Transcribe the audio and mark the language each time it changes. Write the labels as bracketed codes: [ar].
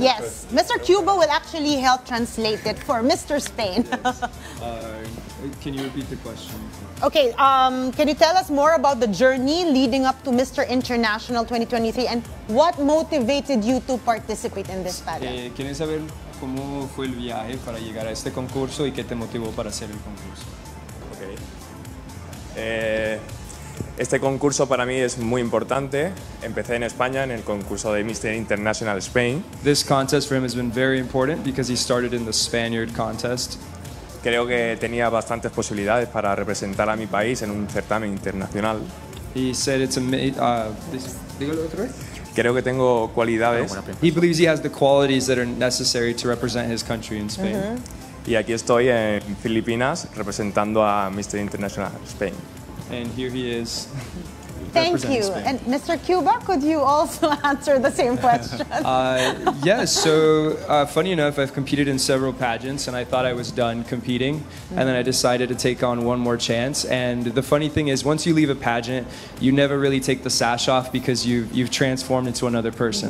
[en] Yes, Mr. Cuba will actually help translate it for Mr. Spain. Yes. Can you repeat the question? Okay, can you tell us more about the journey leading up to Mr. International 2023 and what motivated you to participate in this pageant? [es] ¿Quieres saber cómo fue el viaje para llegar a este concurso y qué te motivó para hacer el concurso? Okay. Este concurso para mí es muy importante. Empecé en España en el concurso de Mr. International Spain. [en] This contest for him has been very important because he started in the Spaniard contest. [es] Creo que tenía bastantes posibilidades para representar a mi país en un certamen internacional. [en] He said it's [es] Creo que tengo cualidades. [en] He believes he has the qualities that are necessary to represent his country in Spain. Uh-huh. [es] Y aquí estoy en Filipinas representando a Mr. International Spain. [en] And here he is. Thank you. Spain. And Mr. Cuba, could you also answer the same question? Yes. So, funny enough, I've competed in several pageants and I thought I was done competing. Mm-hmm. And then I decided to take on one more chance. And the funny thing is, once you leave a pageant, you never really take the sash off because you've transformed into another person.